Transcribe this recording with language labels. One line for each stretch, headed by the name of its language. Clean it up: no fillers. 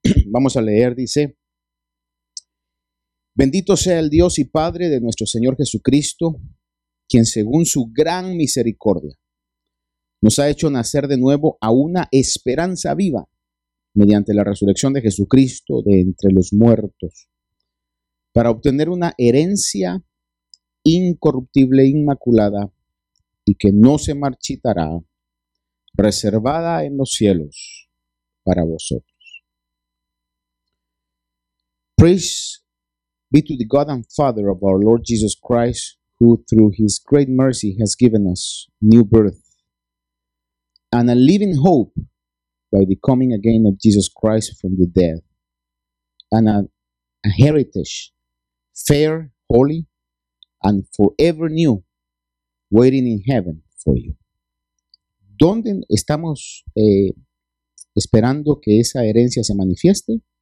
Spanish: Vamos a leer, dice: Bendito sea el Dios y Padre de nuestro Señor Jesucristo, quien según su gran misericordia nos ha hecho nacer de nuevo a una esperanza viva mediante la resurrección de Jesucristo de entre los muertos, para obtener una herencia incorruptible e inmaculada y que no se marchitará, reservada en los cielos para vosotros.
English: Praise be to the God and Father of our Lord Jesus Christ, who through his great mercy has given us new birth and a living hope by the coming again of Jesus Christ from the dead, and a heritage fair, holy, and forever new waiting in heaven for you.
Spanish: ¿Dónde estamos esperando que esa herencia se manifieste?